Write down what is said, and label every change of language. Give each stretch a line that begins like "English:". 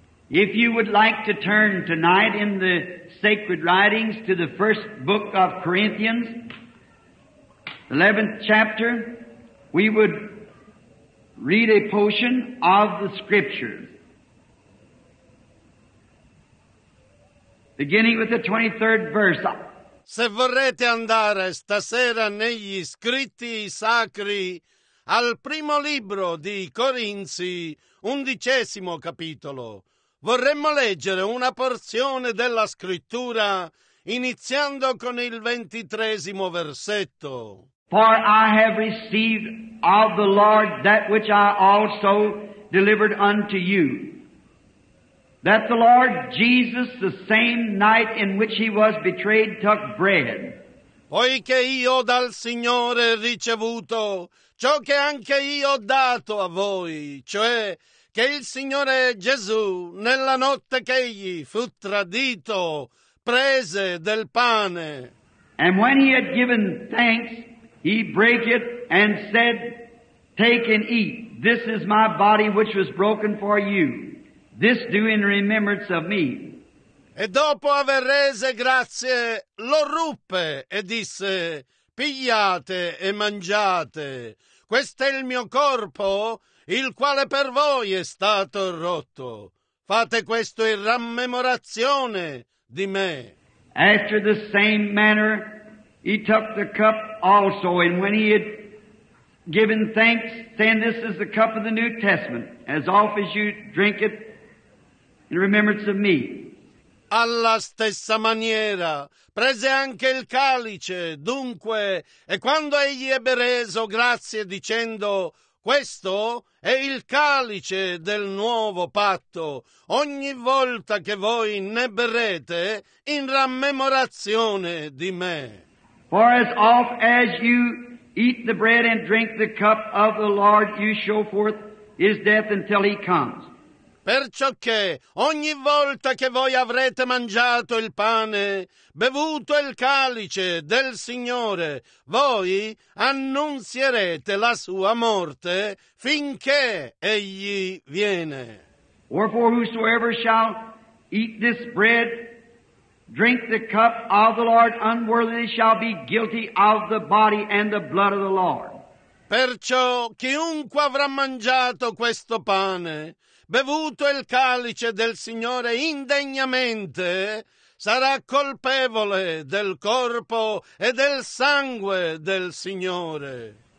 English: If you would like to turn tonight in the sacred writings to the first book of Corinthians, 11th chapter, we would read a portion of the scripture, beginning with the 23rd verse.
Italian: Se vorrete andare stasera negli scritti sacri al primo libro di Corinzi, 11° capitolo, vorremmo leggere una porzione della scrittura iniziando con il 23° versetto.
English: For I have received of the Lord that which I also delivered unto you, that the Lord Jesus, the same night in which he was betrayed, took bread.
Italian: Poiché io dal Signore ricevuto ciò che anche io ho dato a voi, cioè che il Signore Gesù, nella notte che egli fu tradito, prese del pane.
English: And when he had given thanks, he broke it and said, take and eat, this is my body which was broken for you. This do in remembrance of me.
Italian: E dopo aver rese grazie, lo ruppe e disse, pigliate e mangiate. Questo è il mio corpo, il quale per voi è stato rotto. Fate questo in rammemorazione di me.
English: After the same manner, he took the cup also, and when he had given thanks, saying, this is the cup of the New Testament, as oft as you drink it, in remembrance of me.
Italian: Alla stessa maniera prese anche il calice, dunque, e quando egli ebbe reso grazie dicendo, questo è il calice del nuovo patto, ogni volta che voi ne berrete in rammemorazione di me.
English: For as oft as you eat the bread and drink the cup of the Lord, you show forth his death until he comes.
Italian: Perciò che ogni volta che voi avrete mangiato il pane, bevuto il calice del Signore, voi annunzierete la sua morte finché egli viene.
English: Wherefore whosoever shall eat this bread, drink the cup of the Lord unworthily shall be guilty of the body and the blood of the Lord.
Italian: Perciò chiunque avrà mangiato questo pane, bevuto il calice del Signore indegnamente, sarà colpevole del corpo e del sangue del Signore.